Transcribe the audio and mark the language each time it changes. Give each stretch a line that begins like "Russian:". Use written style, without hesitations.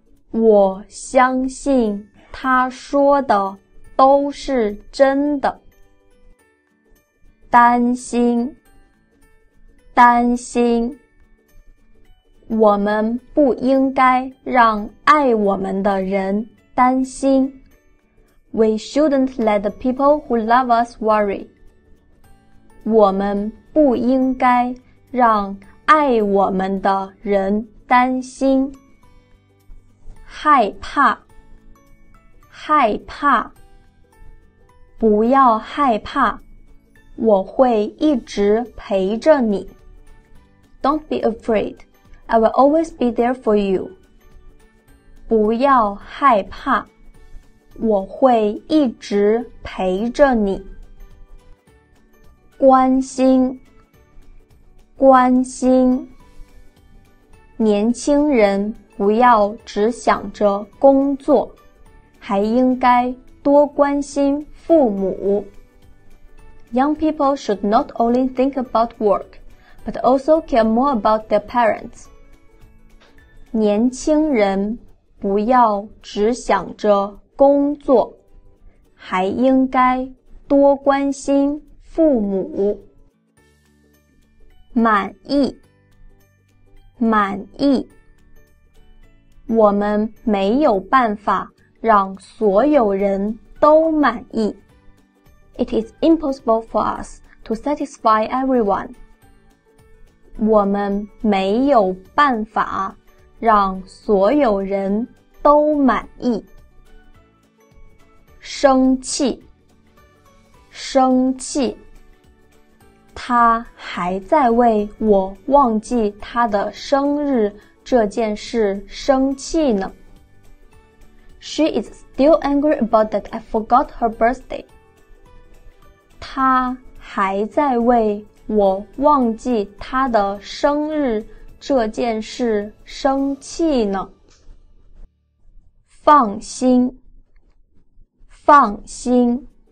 Chinese: 我相信他说的都是真的。担心，担心。我们不应该让爱我们的人担心。
English: We shouldn't let the people who love us worry.
Chinese: 我们不应该让爱我们的人担心。害怕，害怕。不要害怕，我会一直陪着你。
English: Don't be afraid. I will always be there for you.
Chinese: 不要害怕，我会一直陪着你。关心，关心。年轻人不要只想着工作，还应该多关心父母。
English: Young people should not only think about work, but also care more about their parents.
Chinese: 年轻人不要只想着工作，还应该多关心父母。满意，满意。我们没有办法让所有人都满意。
English: It is impossible for us to satisfy everyone.
Chinese: 我们没有办法让所有人都满意。生气，生气。他还在为我忘记他的生日这件事生气呢。
English: She is still angry about that I forgot her birthday.
Chinese: 他还在为我忘记他的生日这件事生气呢。放心，放心。